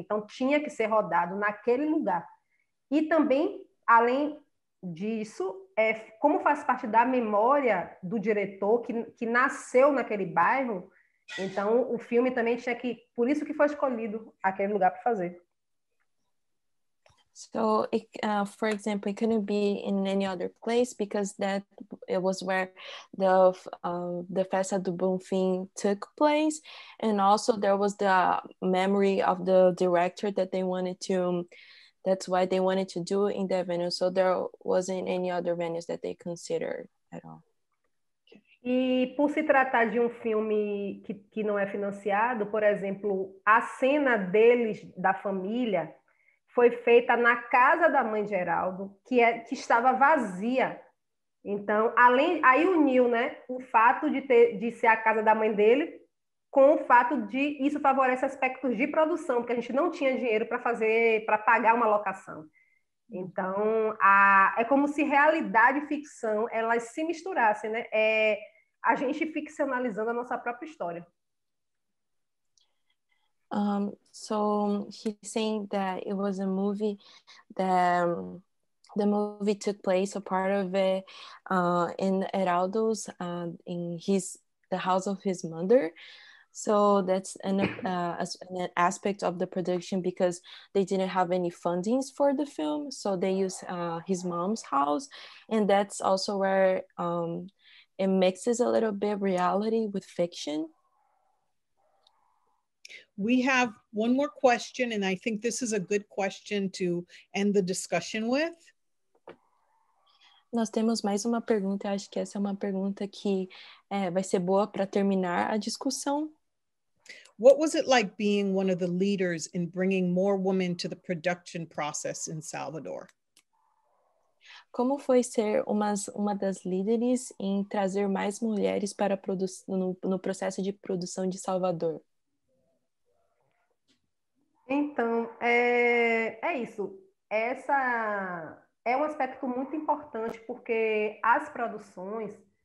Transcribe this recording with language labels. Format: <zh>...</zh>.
<pt>Então, tinha que ser rodado naquele lugar. E também, além disso, como faz parte da memória do diretor que nasceu naquele bairro, então, o filme também tinha que... Por isso que foi escolhido aquele lugar para fazer.</pt> <en>So, for example, it couldn't be in any other place because that it was where the Festa do Bonfim took place. And also there was the memory of the director that they wanted to... That's why they wanted to do it in that venue. So there wasn't any other venues that they considered at all.</en> <pt>E por se tratar de um filme que não é financiado, por exemplo, a cena deles, da família, foi feita na casa da mãe Geraldo, que estava vazia. Então, aí uniu, né, o fato de ser a casa da mãe dele com o fato de isso favorece aspectos de produção, porque a gente não tinha dinheiro para pagar uma locação. Então, é como se realidade e ficção elas se misturassem, né? É a gente ficcionalizando a nossa própria história.</pt> <en>So he's saying that it was a movie that the movie took place, a part of it, in Heraldo's, in his the house of his mother. So that's an aspect of the production because they didn't have any fundings for the film. So they use his mom's house. And that's also where it mixes a little bit reality with fiction. We have one more question, and I think this is a good question to end the discussion with.</en> <pt>Nós temos mais uma pergunta. Acho que essa é uma pergunta que vai ser boa para terminar a discussão.</pt> <en>What was it like being one of the leaders in bringing more women to the production process in Salvador?</en> <pt>Como foi ser uma das líderes em trazer mais mulheres para no processo de produção de Salvador? Então, isso. Essa é um aspecto muito importante porque as produções...</pt>